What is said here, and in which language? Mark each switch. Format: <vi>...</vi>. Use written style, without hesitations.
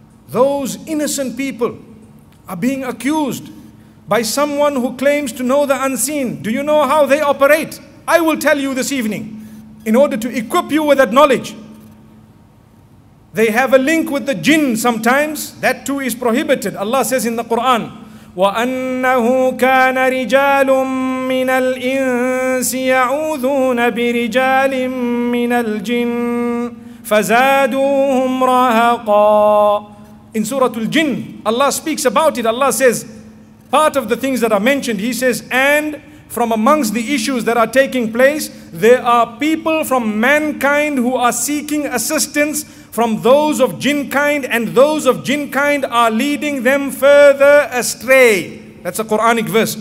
<en>Those innocent people are being accused by someone who claims to know the unseen. Do you know how they operate? I will tell you this evening in order to equip you with that knowledge. They have a link with the jinn sometimes. That too is prohibited. Allah says in the Quran,</en> <ar>وَأَنَّهُ كَانَ رِجَالٌ مِّنَ الْإِنسِ يَعُوذُونَ بِرِجَالٍ مِّنَ الْجِنِّ فَزَادُوهُمْ رَهَقًا.</ar> <en>In Surah Al-Jinn, Allah speaks about it. Allah says, part of the things that are mentioned, He says, and from amongst the issues that are taking place, there are people from mankind who are seeking assistance from those of jinn kind, and those of jinn kind are leading them further astray. That's a Quranic verse.</en>